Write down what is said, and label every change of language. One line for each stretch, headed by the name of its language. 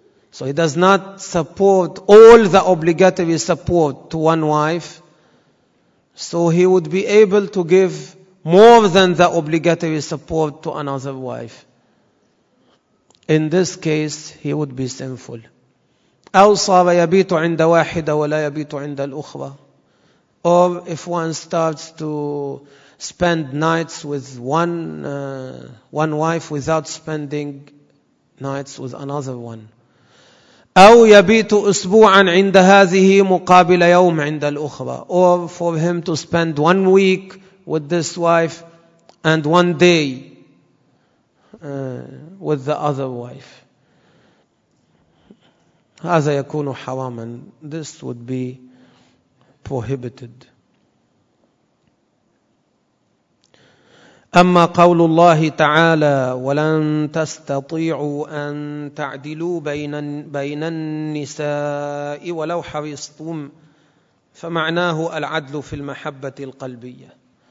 English: So he does not support all the obligatory support to one wife, so he would be able to give more than the obligatory support to another wife. In this case, he would be sinful.
Arabic: أو صار يبيت عند واحدة ولا يبيت عند الأخرى.
English: Or if one starts to spend nights with one wife without spending nights with another one.
Arabic: أو يبيت أسبوعا عند هذه مقابل يوم عند الأخرى.
English: Or for him to spend 1 week with this wife and 1 day with the other wife.
Arabic: هذا يكون حراما.
English: This would be prohibited.
Arabic: أما قول الله تعالى ولن تستطيعوا أن تعدلوا بين النساء ولو حرصتم فمعناه العدل في المحبة القلبية.